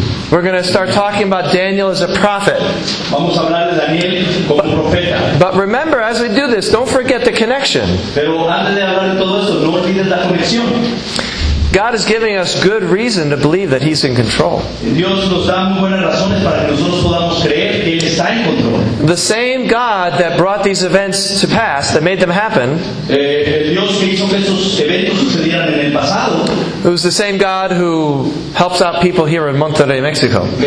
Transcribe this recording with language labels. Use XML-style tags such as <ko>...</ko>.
<en>We're going to start talking about Daniel as a prophet.</en> <es>Vamos a hablar de Daniel como profeta.</es> <en>But remember, as we do this, don't forget the connection.</en> <es>Pero antes de hablar de todo eso, no olvides la conexión.</es> <en>God is giving us good reason to believe that He's in control.</en> <es>Dios nos da muy buenas razones para que nosotros podamos creer que Él está en control.</es> <en>The same God that brought these events to pass, that made them happen,</en> <es>Dios que hizo que esos eventos sucedieran en el pasado,</es> <en>who's the same God who helps out people here in Monterrey, Mexico.</en>